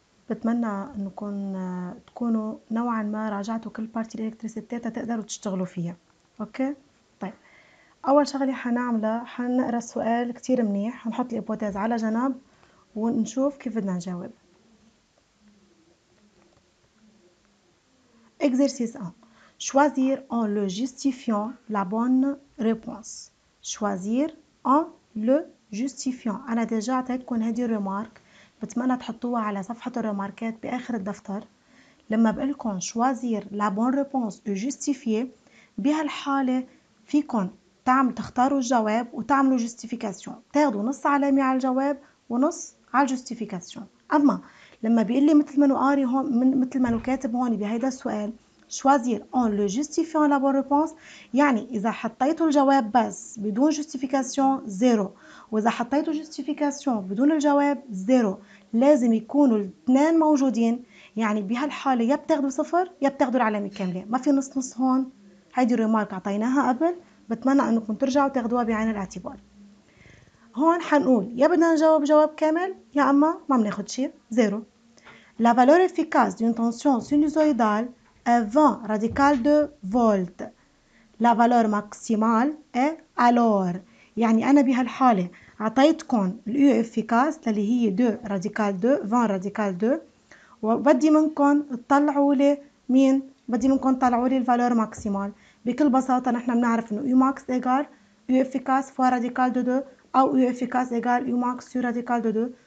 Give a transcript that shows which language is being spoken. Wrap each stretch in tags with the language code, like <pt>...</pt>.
<ar>بتمنى انكم تكونوا نوعا ما راجعتوا كل بارتي الالكتريسيتي تقدروا تشتغلوا فيها. اوكي، طيب اول شغله حنعملها حنقرا السؤال كتير منيح، حنحط الايبوتاز على جنب ونشوف كيف بدنا نجاوب.</ar> <fr>Exercice 1. Choisir en le justifiant la bonne réponse. Choisir en le justifiant.</fr> <ar>أنا ديجا عطيتكم هذه الريمارك، بتمنى تحطوها على صفحة الريماركات بآخر الدفتر. لما بقلكم choisir la bonne réponse et justifier، بهالحالة فيكم تختاروا الجواب وتعملوا justification. تاخدوا نص علامة على الجواب ونص على justification. أما لما بيقول لي مثل ما قاري هون، مثل ما كاتب هون بهيدا السؤال، choisir en le justifiant la bonne réponse، يعني اذا حطيتوا الجواب بس بدون justification زيرو، واذا حطيتوا justification بدون الجواب زيرو. لازم يكونوا الاثنين موجودين، يعني بهالحاله يا بتاخذوا صفر يا بتاخذوا العلامه كامله، ما في نص نص هون. هيدي الريمارك اعطيناها قبل، بتمنى انكم ترجعوا تاخذوها بعين الاعتبار. هون حنقول يا بدنا نجاوب جواب كامل يا اما ما بناخد شيء، زيرو.</ar> <fr>La valeur efficace d'une tension sinusoidale est 20 radical de volt. La valeur maximale est alors.</fr> <ar>يعني انا بهالحاله اعطيتكم الاي افيكاس اللي هي 2 راديكال 2، 20 راديكال 2، وبدي منكم تطلعوا لي مين؟ بدي منكم تطلعوا لي الفالور ماكسيمال. بكل بساطه نحن بنعرف انه اي ماكس ايجال اي افيكاس فوا راديكال 2، او اي افيكاس ايجال اي ماكس يو راديكال 2.</ar>